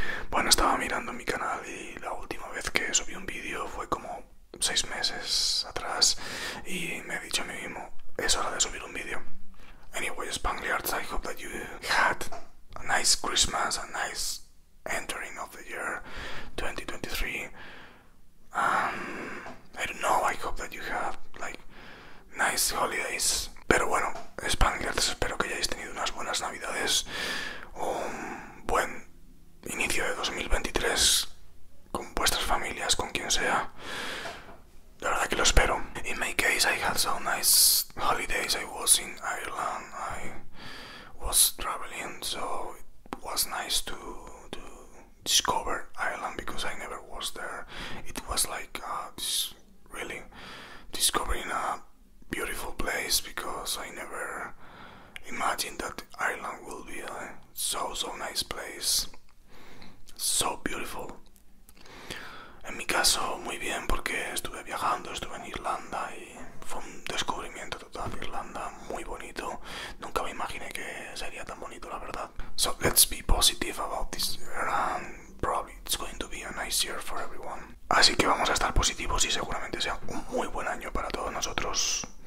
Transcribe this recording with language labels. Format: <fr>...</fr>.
<es>Bueno, estaba mirando mi canal y la última vez que subí un video fue como 6 meses atrás y me he dicho a mí mismo, es hora de subir un video.</es> <en>Anyway, Spangliards, I hope that you had a nice Christmas, a nice entering of the year 2023. I don't know, I hope that you had like nice holidays.</en> <es>Pero bueno, Spangliards, espero que hayáis tenido unas buenas navidades, un buen inicio de 2023 con vuestras familias, con quien sea. La verdad que lo espero.</es> <en>In my case, I had some nice holidays. I was in Ireland. I was traveling, so it was nice to discover Ireland because I never was there. It was like really discovering a beautiful place because I never imagined that Ireland will be a so nice place. So beautiful.</en> <es>En mi caso, muy bien, porque estuve viajando, estuve en Irlanda y fue un descubrimiento total de Irlanda, muy bonito. Nunca me imaginé que sería tan bonito, la verdad.</es> <en>So let's be positive about this year and probably it's going to be a nice year for everyone.</en> <es>Así que vamos a estar positivos y seguramente sea un muy buen año para todos nosotros.</es>